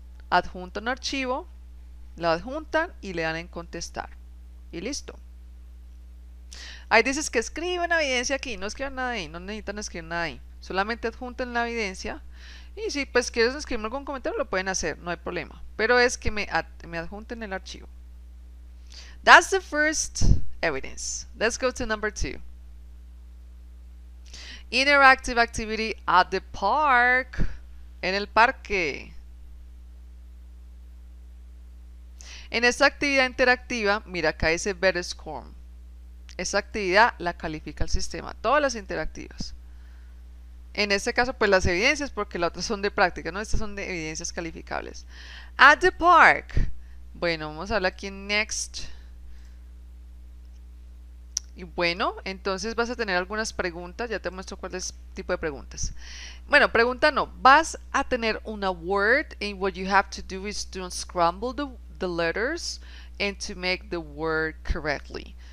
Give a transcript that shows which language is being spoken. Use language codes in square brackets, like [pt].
[es] Adjunto un archivo, la adjuntan y le dan en contestar. Y listo. Ahí dices que escriban evidencia aquí, no escriban nada ahí, no necesitan escribir nada ahí. Solamente adjunten la evidencia y si pues quieres escribir algún comentario lo pueden hacer, no hay problema. Pero es que me adjunten el archivo. [en] That's the first evidence. Let's go to number two. Interactive activity at the park. [es] En el parque. En esta actividad interactiva, mira, acá dice better score. Esa actividad la califica el sistema. Todas las interactivas. En este caso, pues las evidencias, porque las otras son de práctica, ¿no? Estas son de evidencias calificables. [en] At the park. [es] Bueno, vamos a hablar aquí en next. Y bueno, entonces vas a tener algunas preguntas. Ya te muestro cuál es el tipo de preguntas. Bueno, pregunta no. Vas a tener una word. [en] And what you have to do is to unscramble the letters and to make the word correctly.